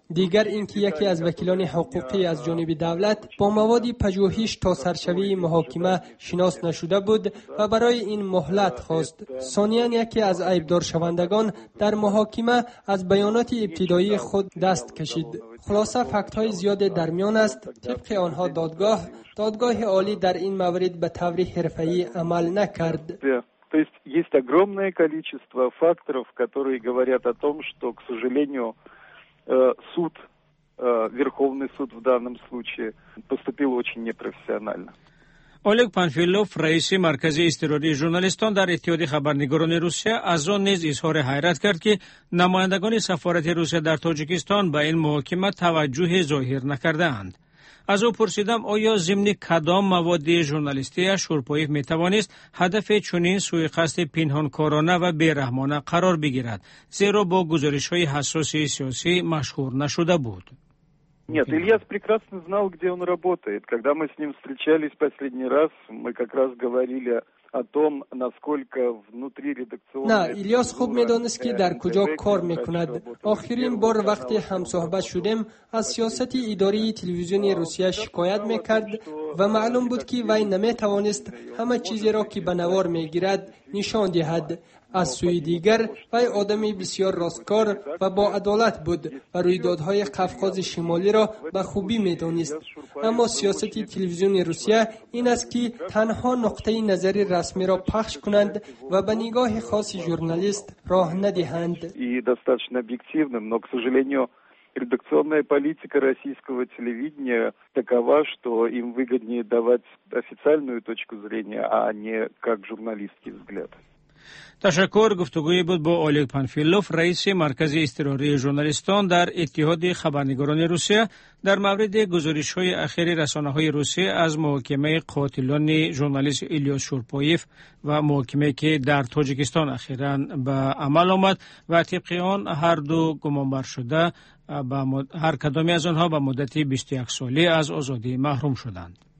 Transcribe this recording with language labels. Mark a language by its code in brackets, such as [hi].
[fa] دیگر اینکه یکی از وکیلان حقوقی از جانب دولت با مواد پژوهش تا سرشوی محاکمه شناس نشده بود و برای این مهلت خواست. ثانیاً یکی از عیبدار شوندگان در محاکمه از بیانات ابتدایی خود دست کشید. خلاصه فکت های زیاده در میان است. طبق آنها دادگاه عالی در این مورد به طور حرفه‌ای عمل نکرد. [ru] есть огромное количество факторов, которые говорят о том, что, к сожалению, суд, Верховный суд в данном случае поступил очень непрофессионально. [fa] Олег Панфилов, رئیس مرکز اضطراری ژورنالیستان در اتحاد خبرنگاران روسیه، از آن نیز اظهار حیرت کرد که نمایندگان سفارت روسیه در تاجیکستان به این محاکمه توجه ظاهر نکرده اند. از او پرسیدم آیا ضمن کدام مواد ژورنالیستی شورپایف می توانست هدف چنین سوءقصد پنهانکارانه و بی‌رحمانه قرار بگیرد، زیرا با گزارش های حساس سیاسی مشهور نشده بود. [ru] Нет, Ильяс прекрасно знал, где он работает. Когда мы с ним встречались последний раз, мы как раз говорили о том, насколько внутри редакционной... [tg] Нет, Ильяс хуб медонис, ки дар куджо кар мекунад. Ахирин бар вакти хам сохбат шудем, аз сиясати идари телевизиони Русия шикоят мекард, ва маълум буд ки вай наме тавонист хама чизе ро ки банавар мегирад, нишан диҳад. [fa] از سوی دیگر وی آدمی بسیار راستکار و با عدالت بود و رویدادهای قفقاز شمالی را به خوبی می دانست. اما سیاست تلویزیون روسیه این است که تنها نقطه نظری رسمی را پخش کنند و به نگاه خاص ژورنالیست راه ندهند. [ru] و достаточно объективным, но, к сожалению, редакционная политика российского телевидения такова, что им выгоднее давать официальную точку зрения, а не как журналистский взгляд. [fa] تشکر. گفتگوی بود با اولگ پانفیلوف، رئیس مرکز اضطراری ژورنالیستان در اتحاد خبرنگاران روسیه، در مورد گزارش های اخیر رسانه های روسیه از محاکمه قاتلان ژورنالیست ایلیوس شورپایف و محاکمه که در تاجیکستان اخیرا به عمل آمد و طبق آن هر دو گمانبر شده هر کدامی از آنها به مدتی 21 سالی از آزادی محروم شدند.